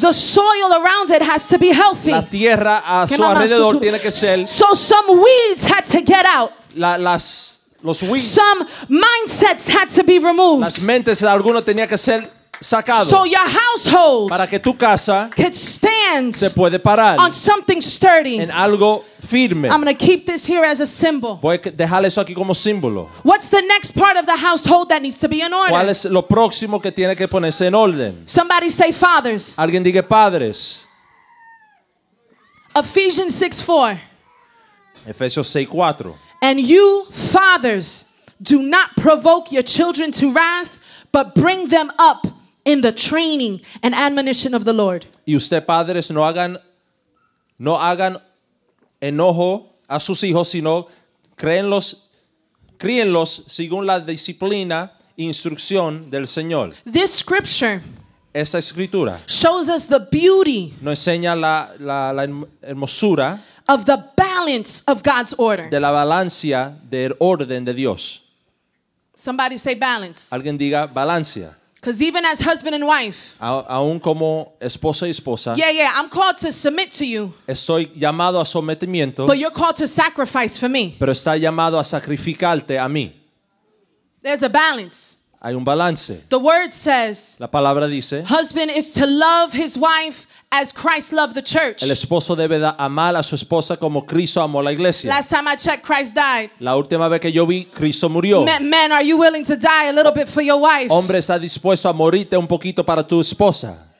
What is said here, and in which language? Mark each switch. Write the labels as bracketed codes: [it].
[en] the soil around it has to be healthy. [es] La tierra a su alrededor tiene que ser. [en] So some weeds had to get out. [es] Los weeds. [en] Some mindsets had to be removed. [es] Las mentes de alguno tenía que ser sacado. [en] So your household, [es] para que tu casa, [en] could stand, [es] se puede parar, [en] on something sturdy, [es] en algo firme. [en] I'm going to keep this here as a symbol. [es] Voy a dejar eso aquí como símbolo. [en] What's the next part of the household that needs to be in order? [es] ¿Cuál es lo próximo que tiene que ponerse en orden? [en] Somebody say fathers. [es] Alguien diga padres. [en] Ephesians 6:4. And you fathers, do not provoke your children to wrath, but bring them up in the training and admonition of the Lord. [es] Y usted padres no hagan enojo a sus hijos, sino críenlos según la disciplina e instrucción del Señor. [en] This scripture, [es] esta escritura, [en] shows us the beauty, [es] nos enseña la hermosura, [en] of the balance of God's order, [es] de la balancia del orden de Dios. [en] Somebody say balance. [es] Alguien diga balancia. [en] Because even as husband and wife, [es] aún como esposo y esposa, [en] yeah, I'm called to submit to you. [es] Estoy llamado a sometimiento. [en] But you're called to sacrifice for me. [es] Pero está llamado a sacrificarte a mí. [en] There's a balance. [es] Hay un balance. [en] The word says, [es] la palabra dice, [en] husband is to love his wife as Christ loved the church. [es] El esposo debe amar a su esposa como Cristo amó la iglesia. [en] Last time I checked, Christ died. [es] La última vez que yo vi, Cristo murió. [en] Men, are you willing to die a little bit for your wife? [es] Hombre, ¿está dispuesto a morirte un poquito para tu esposa?